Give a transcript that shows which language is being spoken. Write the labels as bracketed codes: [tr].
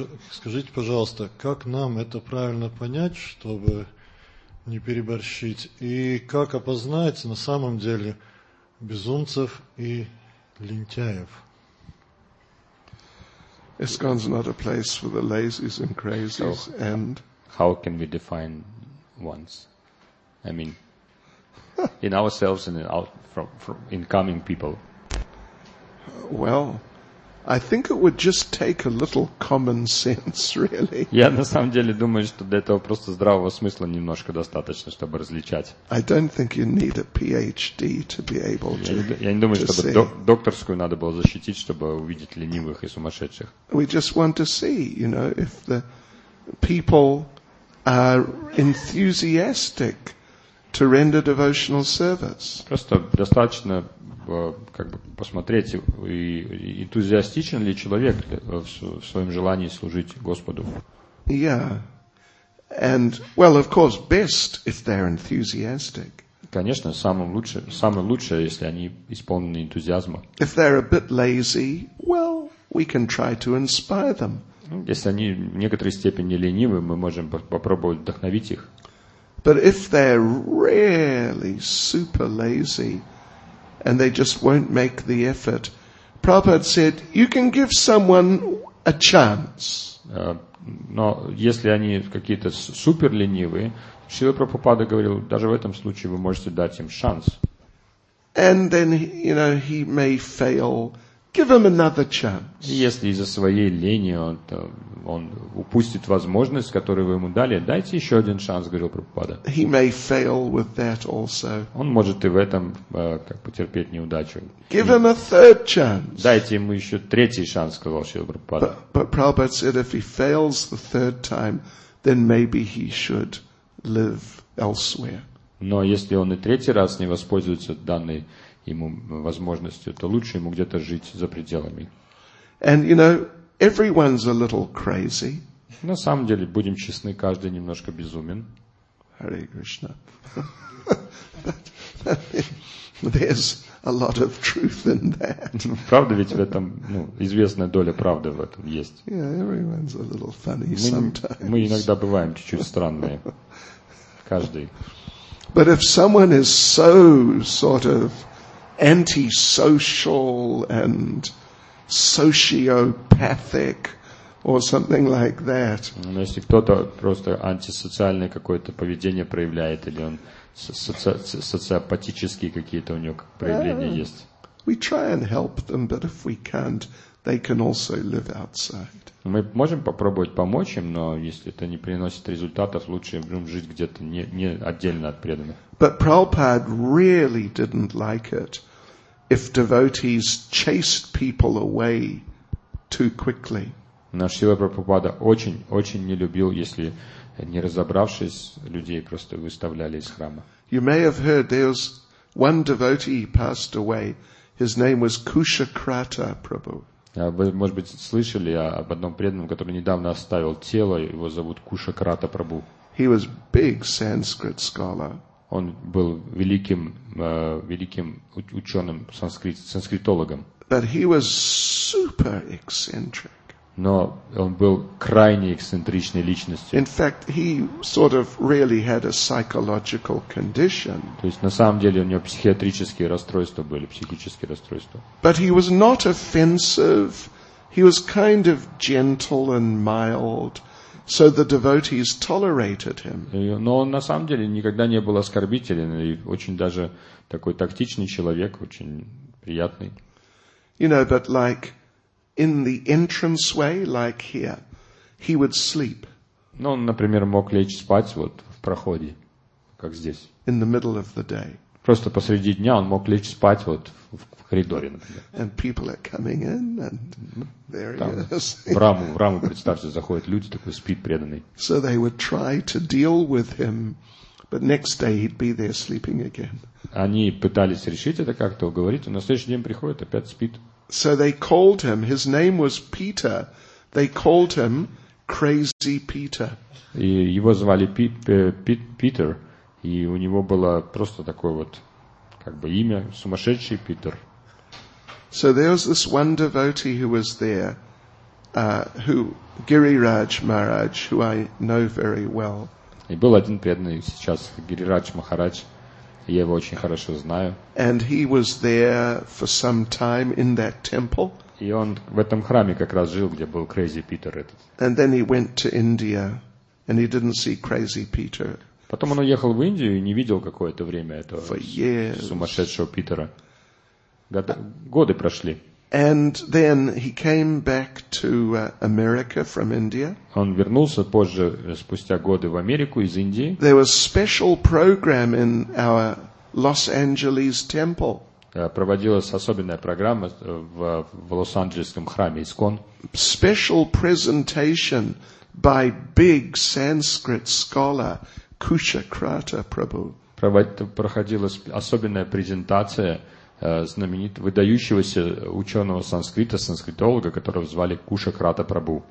[ru] Скажите, пожалуйста, как нам это правильно понять, чтобы не переборщить? И как опознать на самом деле безумцев и лентяев? [en] ИСККОН is not a place for the lazies and crazies. So, and how can we define ones? I mean, in ourselves and from incoming people. Well, I think it would just take a little common sense, really. [ru] Я на самом деле думаю, что для этого просто здравого смысла немножко достаточно, чтобы различать. [en] I don't think you need a PhD to be able to. [ru] Я не думаю, чтобы докторскую надо было защитить, чтобы увидеть ленивых и сумасшедших. [en] We just want to see, you know, if the people are enthusiastic. To render devotional service. [ru] Просто достаточно как бы посмотреть, энтузиастичен ли человек в своем желании служить Господу. [en] Yeah. And, well, of course, best if they're enthusiastic. [ru] Конечно, самое лучшее, если они исполнены энтузиазма. [en] If they're a bit lazy, well, we can try to inspire them. [ru] Если они в некоторой степени ленивы, мы можем попробовать вдохновить их. [en] But if they're really super lazy and they just won't make the effort, Prabhupada said, you can give someone a chance. [ru] Но если они какие-то супер ленивые, Шрила Прабхупада говорил, даже в этом случае вы можете дать им шанс. [en] And then, you know, he may fail. Give him another chance. [ru] Если из-за своей лени он упустит возможность, которую вы ему дали, дайте еще один шанс, говорил Прабхупада. [en] He may fail with that also. [ru] Он может и в этом как потерпеть неудачу. [en] Give him a third chance. [ru] Дайте ему еще третий шанс, сказал Шрила Прабхупада. [en] But Prabhupada said, if he fails the third time, then maybe he should live elsewhere. [ru] Но если он и третий раз не воспользуется данной ему возможностью, то лучше ему где-то жить за пределами. [en] And, you know, everyone's a little crazy. [ru] На самом деле, будем честны, каждый немножко безумен. [en] Hare Krishna. There's a lot of truth in that. [ru] Правда ведь в этом, ну, известная доля правды в этом есть. [en] Yeah, everyone's a little funny sometimes. [ru] Мы иногда бываем чуть-чуть странные. Каждый. [en] But if someone is so sort of antisocial and sociopathic or something like that. [ru] Но если кто-то просто антисоциальное какое-то поведение проявляет, или он социопатические какие-то у него проявления есть. [en] We try and help them, but if we can't, they can also live outside. [ru] Мы можем попробовать помочь им, но если это не приносит результатов, лучше им жить где-то не отдельно от преданных. [en] But Prabhupada really didn't like it if devotees chased people away too quickly. [ru] Но Шрила Прабхупада очень-очень не любил, если, не разобравшись, людей просто выставляли из храма. [en] You may have heard there was one devotee passed away. His name was Kushakrata Prabhu. [ru] Вы, может быть, слышали об одном преданном, который недавно оставил тело, его зовут Кушакрата Прабу. [en] He was big Sanskrit scholar. [ru] Он был великим, великим ученым, санскритологом. [en] But he was super eccentric. [ru] Но он был крайне эксцентричной личностью. [en] In fact, he sort of really had a psychological condition. [ru] То есть на самом деле у него психиатрические расстройства были, психические расстройства. [en] But he was not offensive. He was kind of gentle and mild. So the devotees tolerated him. [ru] Но он на самом деле никогда не был оскорбителен и очень даже такой тактичный человек, очень приятный. [en] You know, but like in the entrance way, like here, he would sleep. [ru] Ну, он, например, мог лечь спать вот в проходе, как здесь. [en] In the middle of the day. [ru] Просто посреди дня он мог лечь спать вот в коридоре, например. [en] And people are coming in, and there [ru] там, [en] he is. [ru] В раму, представьте, заходят люди, такой спит преданный. [en] So they would try to deal with him, but next day he'd be there sleeping again. [ru] Они пытались решить это как-то, уговорить, но на следующий день приходит, опять спит. [en] So they called him, his name was Peter, they called him Crazy Peter. [ru] И его звали Питер. И у него было просто такое вот, как бы имя, сумасшедший Питер. [en] So there was this one devotee who was there, who Гирирадж Махарадж, who I know very well. [ru] И был один преданный сейчас, Гирирадж Махарадж, я его очень хорошо знаю. [en] And he was there for some time in that temple. [ru] И он в этом храме как раз жил, где был Crazy Peter этот. [en] And then he went to India, and he didn't see Crazy Peter. [ru] Потом он уехал в Индию и не видел какое-то время этого сумасшедшего Питера. Годы прошли. [en] And then he came back to America from India. [ru] Он вернулся позже, спустя годы, в Америку из Индии. [en] There was special program in our Los Angeles temple. [ru] Проводилась особенная программа в Лос-Анджелесском храме ИСКОН. [en] Special presentation by big Sanskrit scholar Kushakrata Prabhu. [ru] Проходила особенная презентация знаменитого выдающегося ученого санскрита, санскритолога, которого звали Кушакрата Прабу.